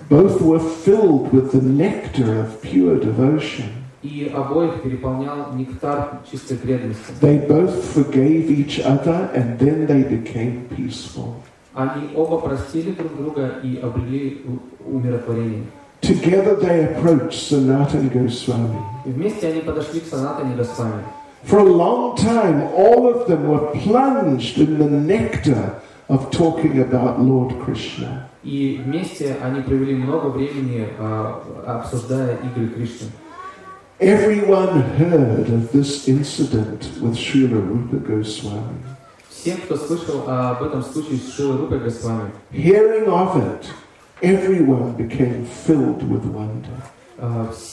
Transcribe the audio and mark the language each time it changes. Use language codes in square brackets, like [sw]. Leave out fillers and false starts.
[en] Both were filled with the nectar of pure devotion. [ru] И обоих переполнял нектар чистой преданности. [en] They both forgave each other, and then they became peaceful. [ru] Они оба простили друг друга и обрели умиротворение. [en] Together they approached Sanatana Goswami. [ru] Вместе они подошли к Санатане Госвами. [en] For a long time, all of them were plunged in the nectar of talking about Lord Krishna. [ru] И вместе они провели много времени, обсуждая игры Кришны. [en] Everyone heard of this incident with Srila Rupa Goswami. [ru] Все, кто слышал об этом случае с Шрилой Рупой Госвами. [en] Hearing of it, everyone became filled with wonder.